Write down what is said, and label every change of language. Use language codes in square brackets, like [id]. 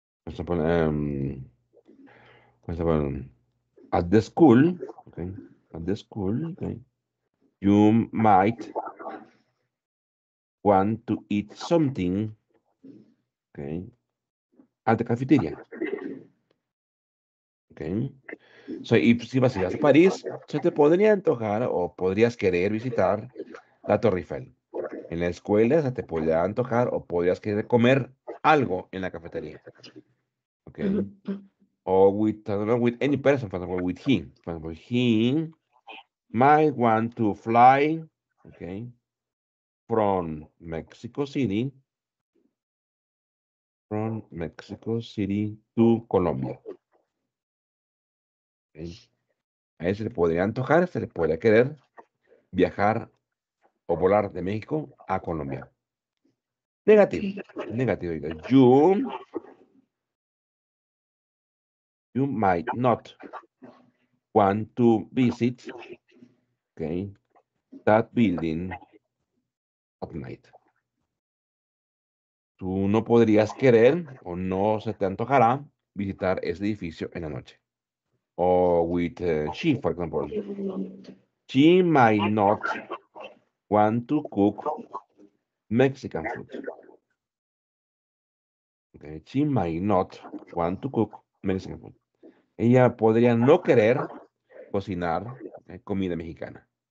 [en] For example, at the school, okay, at the school, okay, you might want to eat something, okay, at the cafeteria. Okay, so if [es] si vas a París, se te podría antojar o podrías querer visitar la Torre Eiffel. En la escuela se te podría antojar o podrías querer comer algo en la cafetería. [en] Okay, or with, I don't know, with any person, for example, with him. For example, he might want to fly, okay, from Mexico City to Colombia. Okay. [es] A él se le podría antojar, se le podría querer viajar o volar de México a Colombia. Negativo. [en] You might not want to visit, okay, that building at night. [es] Tú no podrías querer o no se te antojará visitar ese edificio en la noche. [en] O with she, for example. She might not want to cook Mexican food. Okay. She might not want to cook Mexican food. [es] Ella podría no querer cocinar comida mexicana.